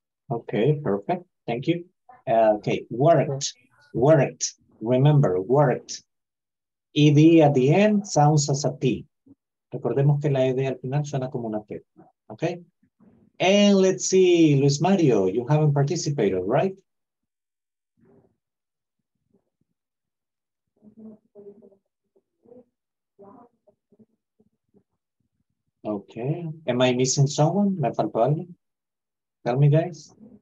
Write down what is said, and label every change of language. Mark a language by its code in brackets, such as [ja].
[en] Okay, perfect. Thank you. Okay, worked. worked. Remember, worked. ED at the end sounds as a T. [es] Recordemos que la ED al final suena como una T. [en] Okay? And let's see, Luis Mario, you haven't participated, right? Okay. Am I missing someone? [es] ¿Me faltó alguien? [en] Tell me, guys.